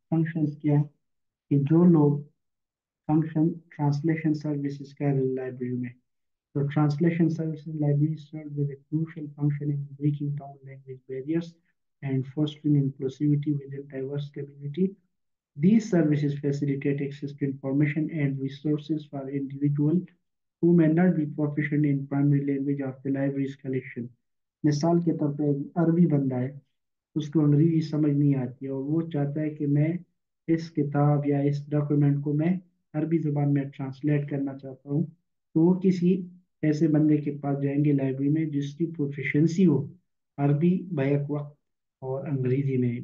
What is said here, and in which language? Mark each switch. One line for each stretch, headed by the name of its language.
Urdu: Functions کیا ہیں کہ جو لوگ فنکشن ٹرانسلیشن سروسز کر رہے ہیں لائبریری میں,
English: تو translation services library serve with a crucial function in breaking down language barriers and fostering inclusivity with in diverse community. These services facilitate access to information and resources for individual who may not be proficient in primary language of the library's collection.
Urdu: مثال کے طور پہ عربی بندہ ہے, اس کو انگریزی سمجھ نہیں آتی ہے اور وہ چاہتا ہے کہ میں اس کتاب یا اس ڈاکیومنٹ کو میں عربی زبان میں ٹرانسلیٹ کرنا چاہتا ہوں, تو وہ کسی ایسے بندے کے پاس جائیں گے لائبریری میں جس کی پروفیشنسی ہو عربی بیک وقت اور انگریزی میں.